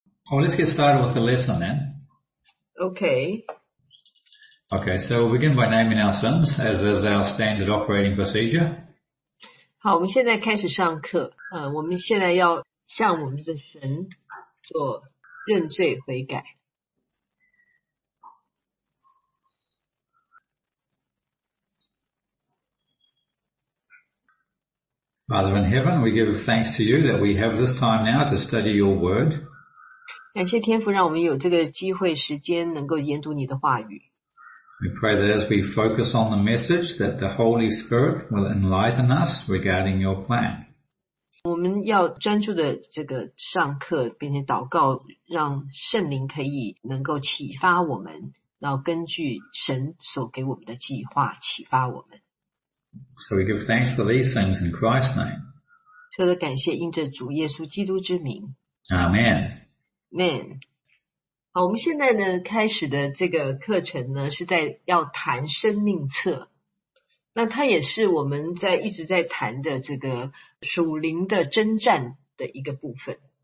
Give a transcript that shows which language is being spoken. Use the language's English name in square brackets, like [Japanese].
[English] Well, let's get started with the lesson then. Okay. Okay, so we'll begin by naming our sins, as is our standard operating procedure. [Chinese] 好，我们现在开始上课。我们现在要向我们的神做认罪悔改。 [English] Father in heaven, we give thanks to you that we have this time now to study your word. [Chinese] 感谢天父让我们有这个机会时间能够研读你的话语。 [English] We pray that as we focus on the message that the Holy Spirit will enlighten us regarding your plan. [Chinese] 我们要专注的这个上课并且祷告让圣灵可以能够启发我们然后根据神所给我们的计划启发我们。 [English] So we give thanks for these things in Christ's name. [Chinese] 所以感谢因着主耶稣基督之名。 [English] Amen. Man. [Chinese] 好，我们现在呢开始的这个课程呢是在要谈生命册。那它也是我们在一直在谈的这个属灵的征战的一个部分。